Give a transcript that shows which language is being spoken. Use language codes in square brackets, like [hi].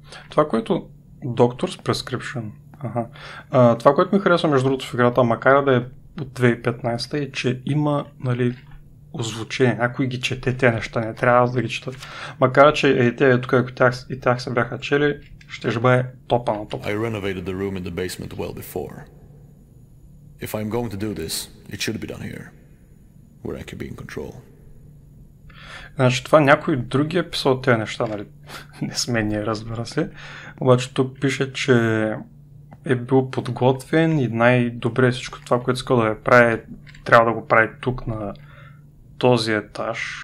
[bg] Това, което Doctor's Prescription... Ага. Това, което ми харесва между другото в играта, макар да е от 2015, е, че има, нали, озвучение. Някой ги чете тези неща, не трябва да ги четат. Макар че и те, тук, ако тях, и тях се бяха чели, ще бъде топа на топа. [en] I renovated the room in the basement well before. If I'm going to do this, it should be done here, where I can be in control. [bg] Значи това някой други е писал тези неща, нали? Не сме ние, разбира се. Обаче тук пише, че е бил подготвен и най-добре всичко това, което искал да прави, трябва да го прави тук на този етаж.